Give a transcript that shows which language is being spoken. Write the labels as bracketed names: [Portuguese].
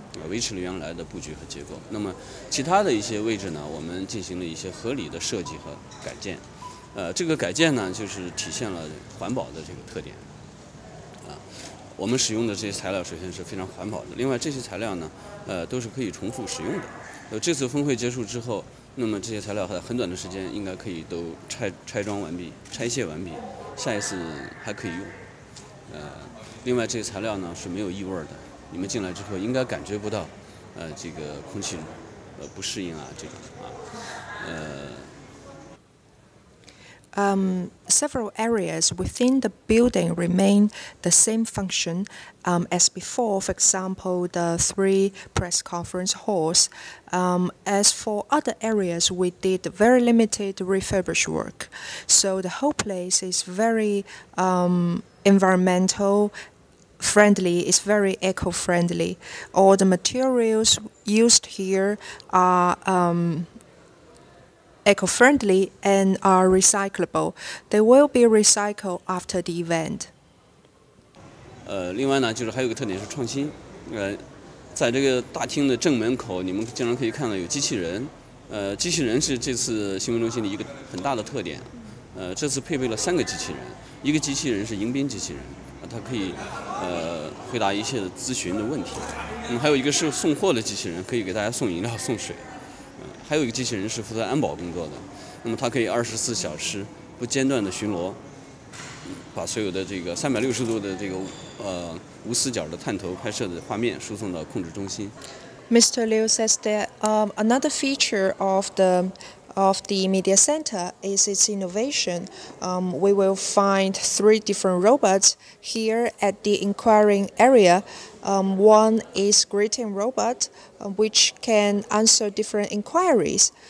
[Chinese] 维持了原来的布局和结构，那么其他的一些位置呢，我们进行了一些合理的设计和改建，这个改建呢，就是体现了环保的这个特点，我们使用的这些材料首先是非常环保的，另外这些材料呢，都是可以重复使用的，这次峰会结束之后，那么这些材料在很短的时间应该可以都拆卸完毕，下一次还可以用，另外这些材料呢是没有异味的。你们进来之后应该感觉不到，这个空气，不适应啊，这种啊， [English] Several areas within the building remain the same function as before, for example, the three press conference halls. As for other areas, we did very limited refurbished work. So the whole place is very environmental friendly, it's very eco-friendly. All the materials used here are eco-friendly and are recyclable. They will be recycled after the event. [Chinese] 另外呢，就是还有个特点是创新。在这个大厅的正门口，你们经常可以看到有机器人。机器人是这次新闻中心的一个很大的特点。这次配备了三个机器人，一个机器人是迎宾机器人。它可以回答一切的咨询的问题，还有一个是送货的机器人，可以给大家送饮料送水，还有一个机器人是负责安保工作的，那么它可以24小时不间断的巡逻，把所有的这个360度的这个无死角的探头拍摄的画面输送到控制中心。 [English] Mr. Liu says that another feature of the media center is its innovation. We will find three different robots here at the inquiring area. One is greeting robot, which can answer different inquiries.